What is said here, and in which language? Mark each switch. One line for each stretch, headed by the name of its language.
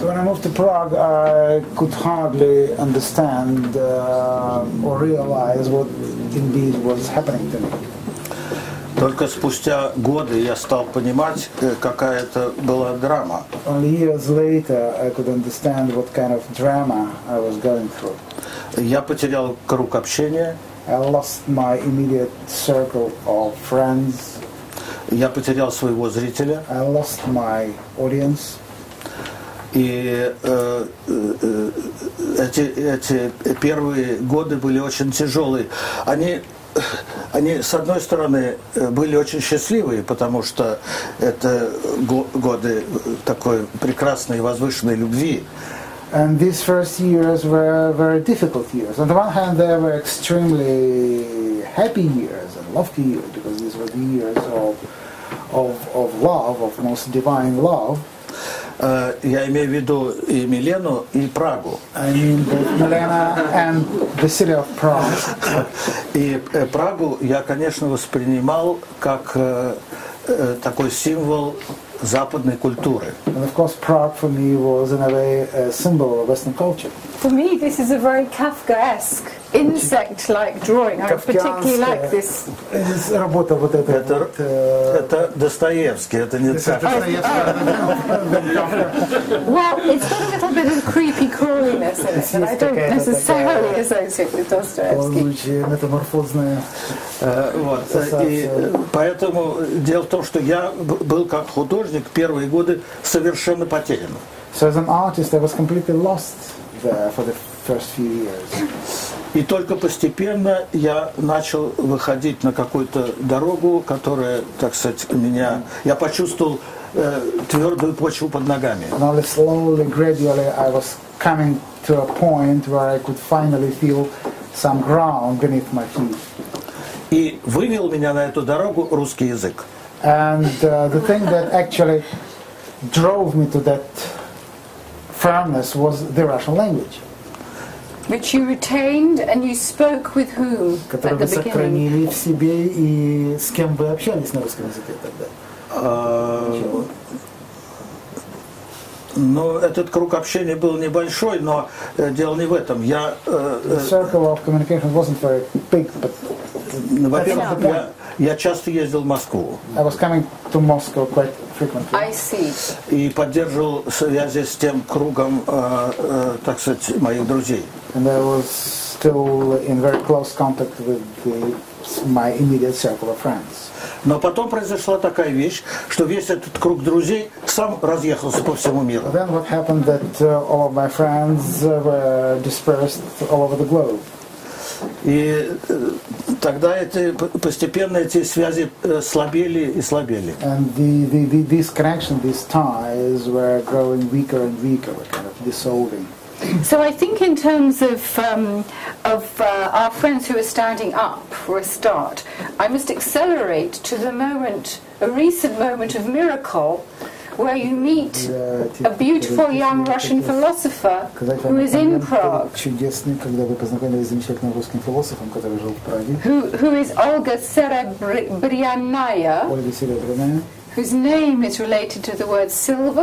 English: When I moved to Prague, I could hardly understand or realize what indeed was happening to me.
Russian: Только спустя годы я стал понимать, какая это была драма.
English: Only years later I could understand what kind of drama I was going through.
Russian: Я потерял круг общения.
English: I lost my immediate circle of friends.
Russian: Я потерял своего зрителя.
English: I lost my audience.
Russian: И эти первые годы были очень тяжелые. Они, с одной стороны, были очень счастливые, потому что это годы такой прекрасной, возвышенной любви.
English: And these first years were very difficult years. On the one hand, they were extremely happy years and lofty years, because these were the years of love, of most divine love.
Russian: Я имею в виду и Милену, и Прагу.
English: I mean both Milena and the city of Prague.
Russian: И Прагу я, конечно, воспринимал как такой символ западной культуры.
English: And of course, Prague for me was in a way a symbol of Western culture. For me, this is a very Kafkaesque insect-like drawing. I particularly like this.
Russian: Is работа вот эта. Это это Достоевский, это не Достоевский.
English: Well, it's got a little bit of creepy crawliness in it, and I don't necessarily associate with Dostoevsky.
Russian: Получение метаморфозное. Вот. И поэтому дело в том, что я был как художник первые годы совершенно потерян.
English: So as an artist, I was completely lost. For the first few years.
Russian: И только постепенно я начал выходить на какую-то дорогу, которая, так сказать, меня. Я почувствовал твердую почву под ногами.
English: And only slowly, gradually, I was coming to a point where I could finally feel some ground beneath my feet.
Russian: И вывел меня на эту дорогу русский язык.
English: And the thing that actually drove me to that firmness was the Russian language. Which you retained and you spoke with whom at the beginning?
Russian: Которую вы сохранили в себе и с кем вы общались на русском языке тогда? Ну, этот круг общения был небольшой, но дело не в этом. Я,
English: the circle of communication wasn't very big, but...
Russian: Во-первых, я часто ездил в Москву.
English: I was coming to Moscow quite frequently. I see.
Russian: И поддерживал связи с тем кругом, так сказать, моих друзей.
English: And I was still in very close contact with my immediate circle of friends.
Russian: Но потом произошла такая вещь, что весь этот круг друзей сам разъехался по всему миру.
English: Then what happened that all of my friends were dispersed all over the globe.
Russian: И тогда эти постепенно эти связи слабели и слабели.
English: And these connections, these ties were growing weaker and weaker, kind of dissolving. So I think in terms of our friends who are standing up for a start, I must accelerate to the moment, a recent moment of miracle, where you meet a beautiful young Russian philosopher who is in Prague.
Russian: Чудесный, когда вы познакомились с замечательным русским философом, который жил в Праге.
English: Who is Olga Serebryanaya?
Russian: Ольга Серебряная.
English: Whose name is related to the word silver?